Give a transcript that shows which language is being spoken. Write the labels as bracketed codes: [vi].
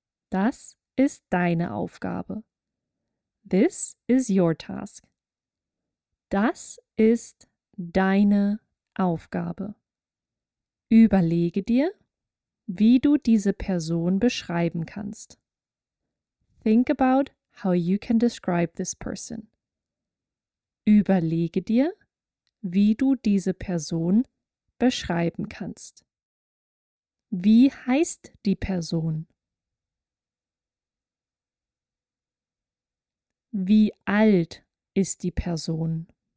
[de] Das ist deine Aufgabe. [en] This is your task. [de] Das ist deine Aufgabe. Überlege dir, wie du diese Person beschreiben kannst. [en] Think about how you can describe this person. [de] Überlege dir, wie du diese Person beschreiben kannst. Wie heißt die Person? Wie alt ist die Person?